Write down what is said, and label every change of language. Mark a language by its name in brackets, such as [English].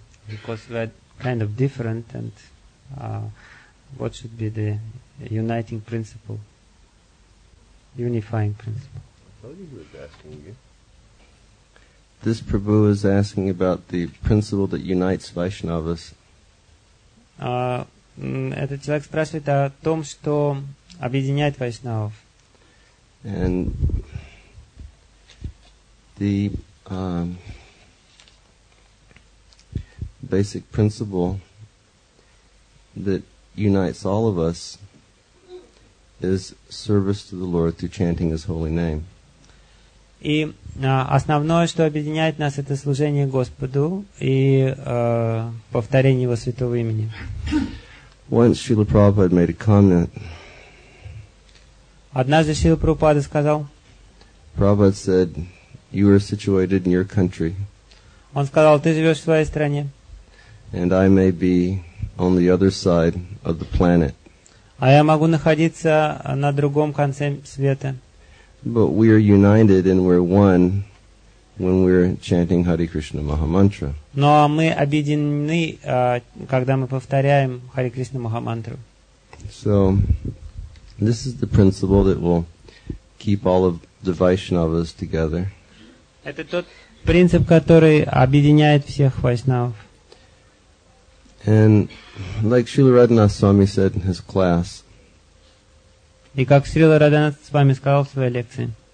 [English] Because we are kind of different, and what should be the uniting principle? Unifying principle. This Prabhu is asking about the principle that unites Vaishnavas. [Russian] Этот человек спрашивает о том, что объединяет Вайшнавов. [English] And the basic principle that unites all of us is service to the Lord through chanting His holy name. [Russian] И основное, что объединяет нас, это служение Господу и повторение Его святого имени. [English] Once Srila Prabhupada made a comment. [Russian] Однажды Шрила Прабхупада сказал. [English] Prabhupada said, "You are situated in your country." [Russian] Он сказал, ты живешь в своей стране. [English] And I may be on the other side of the planet. [Russian] А я могу находиться на другом конце света. [English] But we are united and we're one when we're chanting Hare Krishna Maha Mantra. [Russian] Но мы объединены, когда мы повторяем Hare Krishna Maha Mantra. [English] So this is the principle that will keep all of the Vaishnavas together. [Russian] Это тот принцип, который объединяет всех Вайшнавов. [English] And like Srila Radhanath Swami said in his class, [Russian] и как Шрила Радханатх Свами сказал в своей лекции,